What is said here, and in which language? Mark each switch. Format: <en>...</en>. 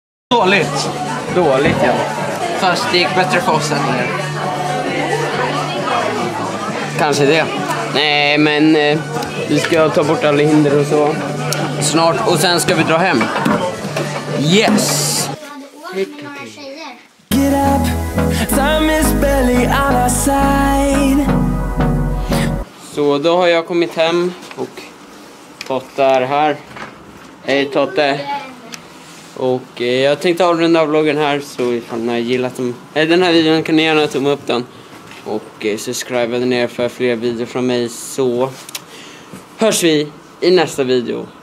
<sv>Dåligt. Dåligt, ja. Fast det gick bättre för oss än nu. Kanske det. Nej, men vi ska ta bort alla hinder och så. Snart, och sen ska vi dra hem.</sv> <en>Yes! Get up, time is barely on our side.</en> <sv>Så då har jag kommit hem och Totte är här. Hej Totte. Och jag tänkte avrunda vloggen här, så ifall ni har gillat den här videon kan ni gärna tumma upp den. Och subscribe ner för fler videor från mig, så hörs vi i nästa video.</sv>